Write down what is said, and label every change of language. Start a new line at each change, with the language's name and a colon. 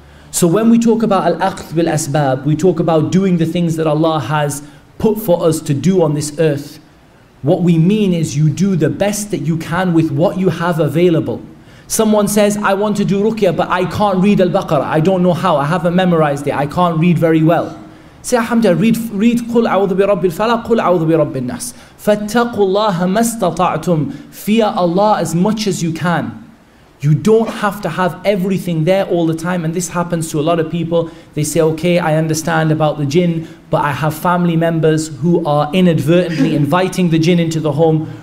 English: So when we talk about al-akhth bil asbab, we talk about doing the things that Allah has put for us to do on this earth. What we mean is you do the best that you can with what you have available. Someone says, I want to do Ruqya, but I can't read Al-Baqarah. I don't know how. I haven't memorized it. I can't read very well. Say, alhamdulillah, read
Arabic: قُلْ أَعُوذُ بِرَبِّ الْفَلَقِ قُلْ أَعُوذُ بِرَبِّ النَّاسِ. فَاتَّقُوا اللَّهَ مَا اسْتَطَعْتُمْ.
English: Fear Allah as much as you can. You don't have to have everything there all the time. And this happens to a lot of people. They say, okay, I understand about the jinn, but I have family members who are inadvertently inviting the jinn into the home.